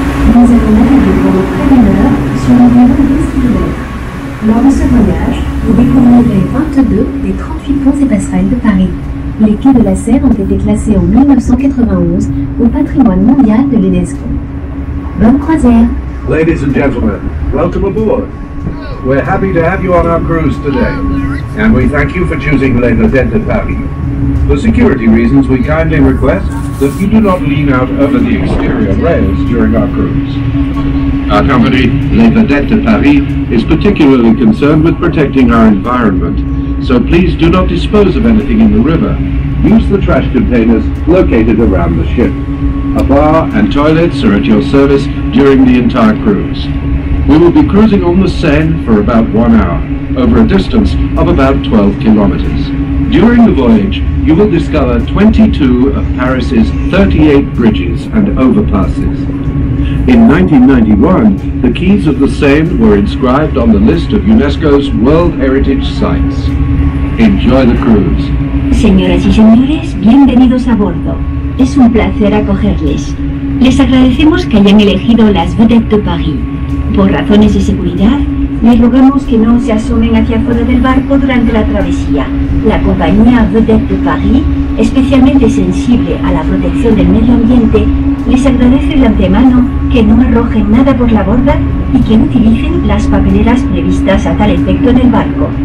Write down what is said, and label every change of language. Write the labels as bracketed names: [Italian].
[French] Nous avons navigué pendant près d'une heure sur environ 10 km. Lors de ce voyage, vous découvrirez 22 des 38 ponts et passerelles de Paris. Les quais de la Seine ont été classés en 1991 au patrimoine mondial de l'UNESCO. Bonne croisière ! [English] Ladies and gentlemen, welcome aboard. We're happy to have you on our cruise today, and we thank you for choosing Les Nodettes de Paris. For security reasons, we kindly request that you do not lean out over the exterior rails during our cruise. Our company, Les Nodettes de Paris, is particularly concerned with protecting our environment, so please do not dispose of anything in the river. Use the trash containers located around the ship. A bar and toilets are at your service during the entire cruise. We will be cruising on the Seine for about 1 hour, over a distance of about 12 kilometers. During the voyage, you will discover 22 of Paris's 38 bridges and overpasses. In 1991, the quays of the Seine were inscribed on the list of UNESCO's World Heritage Sites. Enjoy the cruise. [Spanish] Señoras y señores, bienvenidos a bordo. Es un placer acogerles. Les agradecemos que hayan elegido las Vedettes de Paris. Por razones de seguridad, les rogamos que no se asomen hacia afuera del barco durante la travesía. La compañía Vedettes de Paris, especialmente sensible a la protección del medio ambiente, les agradece de antemano que no arrojen nada por la borda y que utilicen las papeleras previstas a tal efecto en el barco.